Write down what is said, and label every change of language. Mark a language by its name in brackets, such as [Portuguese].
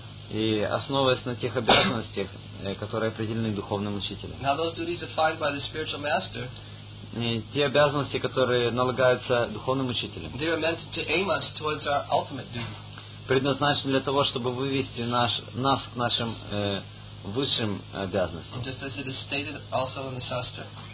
[Russian] И основываясь на тех обязанностях, которые определены духовным учителем. [English] Now those duties defined by the spiritual master. [Russian] И те обязанности, которые налагаются духовным учителем. [English] They are meant to aim us towards our ultimate duty. [Russian] Предназначены для того, чтобы вывести нас к нашим высшим обязанностям. [English] Just as it is stated also in the sastra.